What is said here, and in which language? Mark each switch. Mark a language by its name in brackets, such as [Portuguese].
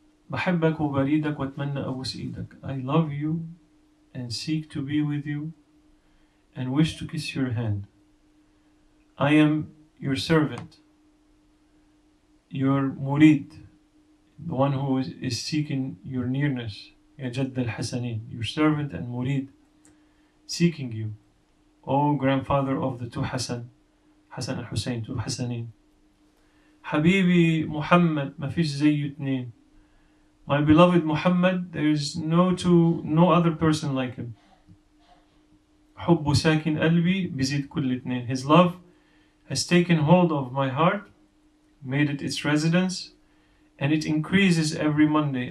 [Arabic] بحبك وبريدك واتمنى أبوس إيدك. [English] I love you and seek to be with you and wish to kiss your hand. I am your servant, your murid, the one who is seeking your nearness, يا جد الحسنين, your servant and murid, seeking you, O grandfather of the two Hasan, Hasan and Hussein, two Hasanin. [Arabic] Habibi Muhammad, ما فيش زيه اتنين. [English] My beloved Muhammad, there is no other person like him. [Arabic] حب ساكن قلبي بزيد كل اتنين. [English] His love has taken hold of my heart, made it its residence, and it increases every Monday.